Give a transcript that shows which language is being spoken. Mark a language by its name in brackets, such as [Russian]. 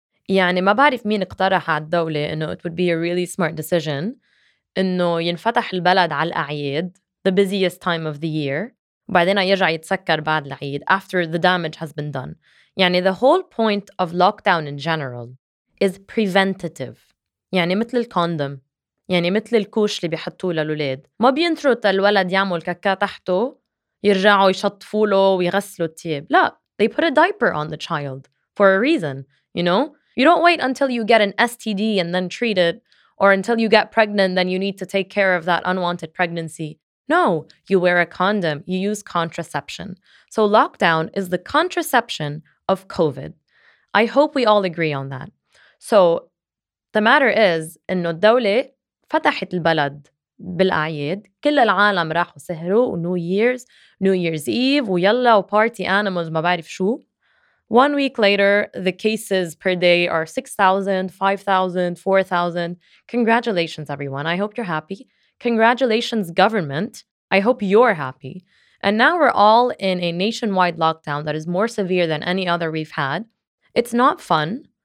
[Arabic] يعني ما بعرف مين اقترح على الدولة إنه [English] it would be a really smart decision [Arabic] إنه ينفتح البلد على الأعياد, [English] the busiest time of the year, [Arabic] بعدين يرجع يتسكر بعد العيد [English] after the damage has been done. [Arabic] يعني [English] the whole point of lockdown in general is preventative. [Arabic] يعني مثل الكوندوم, يعني مثل الكوش اللي بيحطوه للولاد, ما بينترو الولد يعمل كاكا تحته يرجعوا يشطفوا له ويغسلوا التياب. لا, [English] they put a diaper on the child for a reason, you know? You don't wait until you get an STD and then treat it, or until you get pregnant, then you need to take care of that unwanted pregnancy. No, you wear a condom, you use contraception. So lockdown is the contraception of COVID. I hope we all agree on that. So the matter is, [Arabic] إنه الدولة فتحت البلد بالأعياد, كل العالم راحوا سهروا, [English] New Year's Eve, [Arabic] ويلا وبارتي [English] animals [Arabic] ما بعرف شو. [English] 1 week later, the cases per day are 6,000, 5,000, 4,000. Congratulations, everyone. I hope you're happy. Congratulations, government. I hope you're happy. And now we're all in a nationwide lockdown that is more severe than any other we've had. It's not fun.